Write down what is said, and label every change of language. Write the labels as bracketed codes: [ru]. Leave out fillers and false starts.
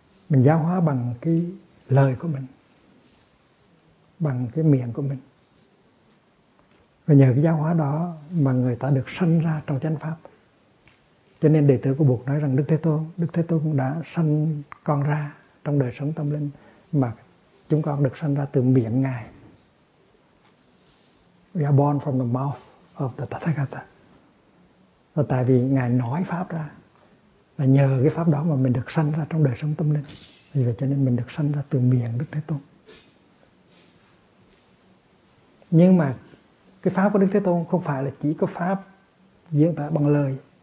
[vi] Mình giáo hóa bằng cái lời của mình, bằng cái miệng của mình. Và nhờ cái giáo hóa đó mà người ta được sanh ra trong chánh pháp. Cho nên đệ tử của Bụt nói rằng Đức Thế Tôn cũng đã sanh con ra trong đời sống tâm linh, mà chúng con được sanh ra từ miệng Ngài. [en] We are born from the mouth of the Tathagata. [vi] Và tại vì Ngài nói pháp ra, là nhờ cái pháp đó mà mình được sanh ra trong đời sống tâm linh. Vì vậy cho nên mình được sanh ra từ miệng Đức Thế Tôn. Nhưng mà cái pháp của Đức Thế Tôn không phải là chỉ có pháp diễn tả bằng lời.